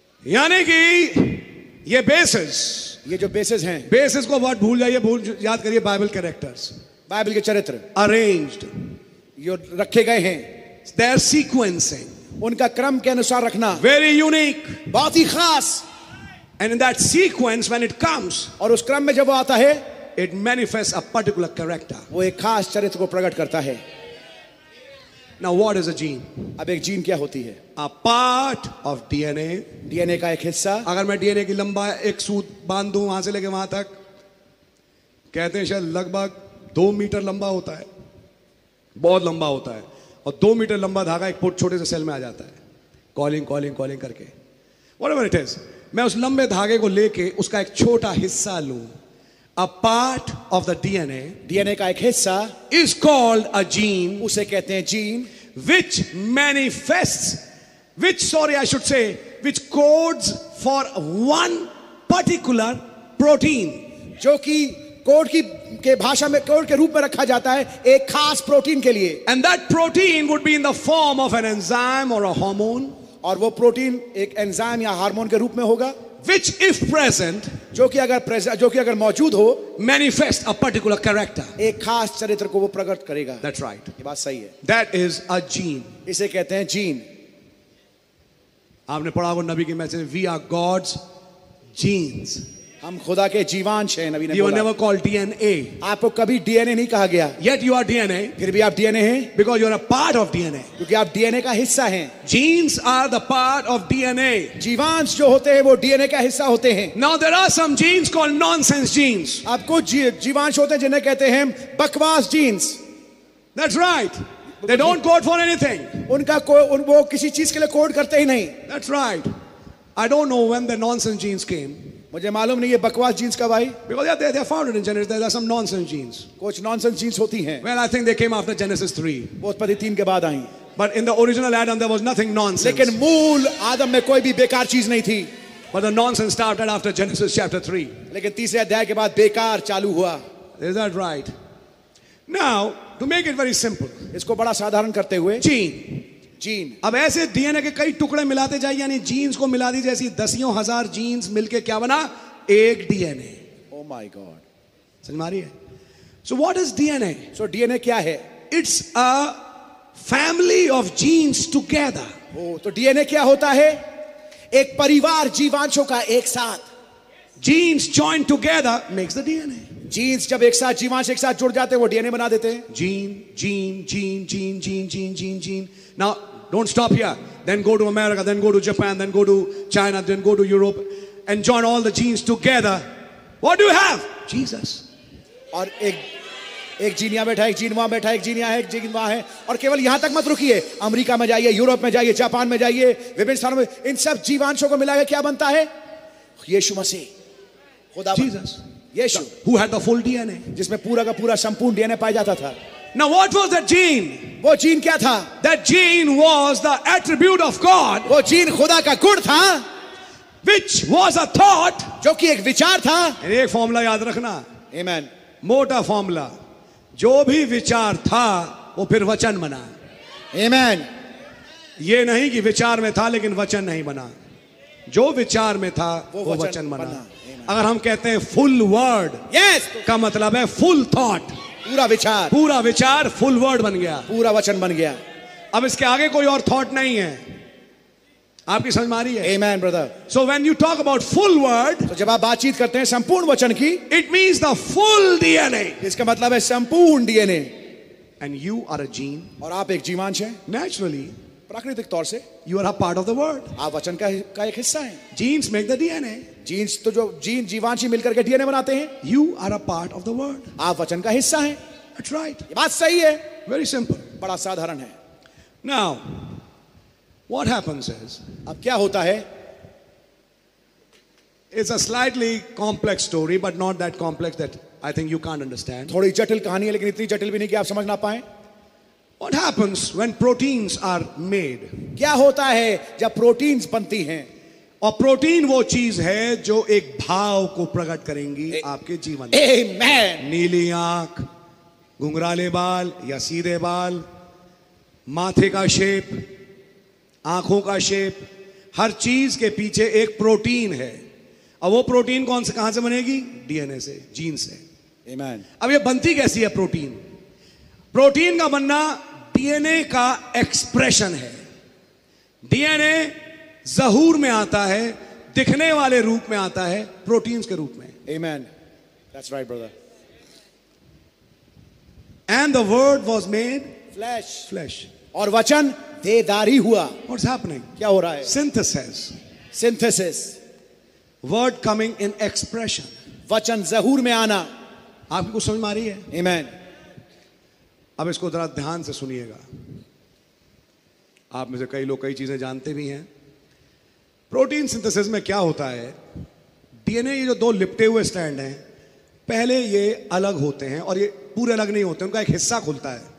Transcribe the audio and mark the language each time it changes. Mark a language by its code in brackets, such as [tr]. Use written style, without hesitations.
[hi] यानी कि ये बेसिस, ये जो बेसिस हैं, बेसिस को वर्ड भूल जाइए, भूल याद करिए बाइबल कैरेक्टर्स, बाइबल के चरित्र. [en] arranged, [hi] ये रखे गए हैं. [en] their sequencing, [hi] उनका क्रम के अनुसार रखना. [en] very unique, [hi] बहुत ही खास. [en] And in that sequence, when it comes, [hi] और उस क्रम में जब वो आता है, [en] it manifests a particular character. [hi] वो एक खास चरित्र को प्रकट करता है. [en] Now, what is a gene? [hi] अब एक जीन क्या होती है? [en] A part of DNA. [hi] DNA का एक हिस्सा. अगर मैं DNA की लंबा एक सूत बांध दूँ वहाँ से लेके वहाँ तक, कहते हैं शायद लगभग 2 meter लंबा होता है. बहुत लंबा होता है. और 2 meter लंबा धागा एक छोटे से सेल में आ जाता है. [en] Calling calling calling करके. Whatever it is. [hi] मैं उस लंबे धागे को लेके उसका एक छोटा हिस्सा लूं. [en] A part of the DNA. [hi] DNA का एक हिस्सा. [en] Is called a gene. [hi] उसे कहते हैं gene. [en] Which manifests. Which codes for one particular protein. [hi] जो कि कोड की के भाषा में कोड के रूप में रखा जाता है एक खास प्रोटीन के लिए. [en] And that protein would be in the form of an enzyme or a hormone. [hi] और वो प्रोटीन एक एंजाइम या हार्मोन के रूप में होगा. [en] Which if present, [hi] जो कि अगर मौजूद हो, [en] manifest a particular character. [hi] एक खास चरित्र को वो प्रकट करेगा. [en] That's right. [hi] ये बात सही है. [en] That is a gene. [hi] इसे कहते हैं जीन. आपने पढ़ा होगा नबी के message, [en] We are God's genes. [hi] हम खुदा के जीवांश हैं. नबी ने [en] बोला, you never called DNA. [hi] आपको कभी DNA नहीं कहा गया. [en] Yet you are DNA. [hi] फिर भी आप DNA हैं. [en] Because you are a part of DNA. [hi] क्योंकि आप DNA का हिस्सा हैं. [en] Genes are the part of DNA. [hi] जीवांश जो होते हैं वो DNA का हिस्सा होते हैं. [en] Now there are some genes called nonsense genes. [hi] आपको जीवांश होते हैं जिन्हें कहते हैं बकवास jeans. [en] That's right. They don't code for anything. [hi] उनका वो किसी चीज के लिए कोड करते ही नहीं. [en] That's right. I don't know when the nonsense genes came. [hi] मुझे मालूम नहीं ये बकवास जीन्स कब आई. [en] Because they are founded in Genesis. There are some nonsense genes. [hi] कुछ nonsense genes होती हैं. [en] Well, I think they came after Genesis 3. [hi] वो उत्पत्ति 3 के बाद आईं. [en] But in the original Adam, there was nothing nonsense. [hi] लेकिन मूल आदम में कोई भी बेकार चीज नहीं थी. [en] But the nonsense started after Genesis chapter 3. [hi] लेकिन तीसरे अध्याय के बाद बेकार चालू हुआ. [en] Is that right? Now, to make it very simple. [hi] इसको बड़ा साधारण करते हुए. [en] Gene. [hi] जीन. अब ऐसे DNA के कई टुकड़े मिलाते जाए, यानी जीन्स को मिला दी जैसी दसियों हजार जीन्स मिलके क्या बना, एक DNA. [en] Oh my God. [hi] समझ में आ रही है? [en] So what is DNA? [hi] So DNA क्या है? [en] It's a family of genes together. [hi] तो DNA क्या होता है? एक परिवार जीवांशों का एक साथ. [en] Genes joined together makes the DNA. [hi] Jeans जब एक साथ जीवांश एक साथ जुड़ जाते हैं वो DNA बना देते हैं. Gene gene gene gene gene gene gene gene. [en] Now, don't stop here. Then go to America, then go to Japan, then go to China, then go to Europe and join all the genes together. What do you have? Jesus. [hi] और एक gene यहाँ बैठा है, एक gene वहाँ बैठा है, एक जीन यहाँ है, एक जीन वहाँ है. और केवल यहाँ तक मत रुकिए. अमेरिका में जाइए, यूरोप में जाइए, जापान में जाइए, विभिन्न स्थानों में. इन सब जीवांशों को मिला के क्या बनता है? यीशु मसीह, खुदा [en] Jesus. [hi] Yeshu. [en] Who had the full DNA. [hi] जिसमें पूरा का पूरा संपूर्ण DNA पाया जाता था. [en] Now what was that gene? [hi] वो जीन क्या था? [en] That gene was the attribute of God. [hi] वो जीन खुदा का गुण था. [en] Which was a thought. [hi] जो कि एक विचार था. एक फॉर्मूला याद रखना. [en] Amen. [hi] मोटा फॉर्मूला. जो भी विचार था वो फिर वचन बना. [en] Amen. [hi] ये नहीं कि विचार में था लेकिन वचन नहीं बना. जो विचार में था वो वचन बना. अगर हम कहते हैं फुल वर्ड. [en] Yes. [hi] का मतलब है फुल थॉट. पूरा विचार फुल वर्ड बन गया. पूरा वचन बन गया. अब इसके आगे कोई और थॉट नहीं है. आपकी समझ में आ रही है? [en] Amen, brother. So when you talk about full word, [hi] तो जब आप बातचीत करते हैं संपूर्ण वचन की, [en] it means the full DNA. [hi] इसका मतलब है संपूर्ण DNA. [en] And you are a gene. [hi] और आप एक जीवांश हैं. [en] Naturally, [hi] प्राकृतिक तौर से, [en] you are a part of the word. [hi] आप वचन का एक हिस्सा हैं. [en] Genes make the DNA. [hi] Jeans तो जो जीन जीवांश ही मिलकर के DNA बनाते हैं. [en] You are a part of the word. [hi] आप वचन का हिस्सा हैं. [en] That's right. [hi] ये बात सही है. [en] Very simple. [hi] बड़ा साधारण है. [en] Now, what happens is, [hi] अब क्या होता है? [en] It's a slightly complex story, but not that complex that I think you can't understand. [hi] थोड़ी जटिल कहानी है, लेकिन इतनी जटिल भी नहीं कि आप समझ ना पाएं. [en] What happens when proteins are made? [hi] क्या होता है जब proteins बनती हैं? और प्रोटीन वो चीज है जो एक भाव को प्रकट करेंगी आपके जीवन में. नीली आंख, घुंघराले बाल या सीधे बाल, माथे का शेप, आंखों का शेप, हर चीज के पीछे एक प्रोटीन है. अब वो प्रोटीन कौन से कहां से बनेगी? DNA से, जीन से. [en] Amen. [hi] अब ये बनती कैसी है प्रोटीन? प्रोटीन का बनना DNA का एक्सप्रेशन है. DNA जहूर में आता है, दिखने वाले रूप में आता है, प्रोटीन्स के रूप में. [en] Amen. That's right, brother. And the word was made flesh. Flesh. [hi] और वचन देहधारी हुआ. [en] What's happening? [hi] क्या हो रहा है? [en] Synthesis. Synthesis. Word coming in expression. [hi] वचन जहूर में आना. आपको समझ मारी है? [en] Amen. [hi] अब इसको जरा ध्यान से सुनिएगा. आप में से कई लोग कई चीजें जानते भी हैं. प्रोटीन सिंथेसिस में क्या होता है, डीएनए, ये जो दो लिपटे हुए स्टैंड हैं, पहले ये अलग होते हैं और ये पूरे अलग नहीं होते, उनका एक हिस्सा खुलता है.